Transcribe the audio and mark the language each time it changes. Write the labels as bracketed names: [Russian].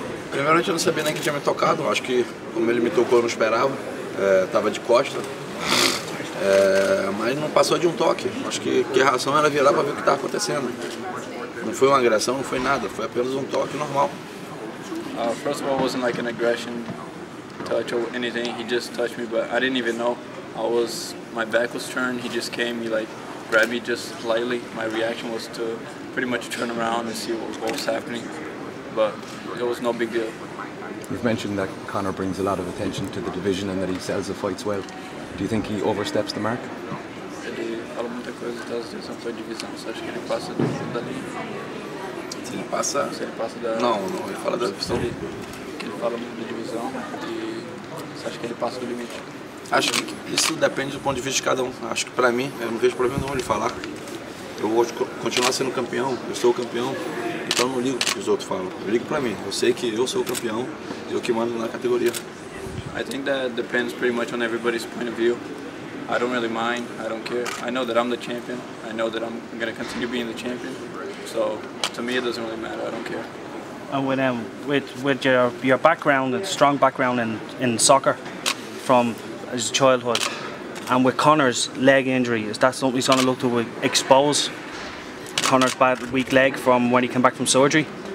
[Portuguese] Primeiramente eu não sabia nem que tinha me tocado, acho que como ele me tocou eu não esperava, estava de costas. Mas não passou de um toque, acho que a reação era virar para ver o que estava acontecendo. Não foi uma agressão, não foi nada, foi apenas um toque normal. [English] First of all, it wasn't like an aggression touch or anything, he just touched me, but I didn't even know. I was, my back was turned, he just came, he like grabbed me just lightly. My reaction was to pretty much turn around and see what was happening, but it was no big deal. You've mentioned that Conor brings a lot of attention to the division and that he sells the fights well. Do you think he oversteps the mark? [Portuguese] Ele fala muita coisa, então ele só foi divisão, só acho que ele passa da linha. Se ele passa? Se ele passa da... Não, não, ele fala da divisão. Ele fala muito da divisão e você acha que ele passa do limite? Acho que isso depende do ponto de vista de cada um. Acho que pra mim, eu não vejo problema nenhum ele falar. Eu vou continuar sendo campeão, eu sou o campeão, então eu não ligo o que os outros falam. Eu ligo pra mim, eu sei que eu sou o campeão e eu que mando na categoria. [English] I think that depends pretty much on everybody's point of view. I don't really mind. I don't care. I know that I'm the champion. I know that I'm going to continue being the champion. So to me, it doesn't really matter. I don't care. And with your background and strong background in soccer from his childhood, and with Conor's leg injury, is that something he's going to look to expose Conor's bad weak leg from when he came back from surgery?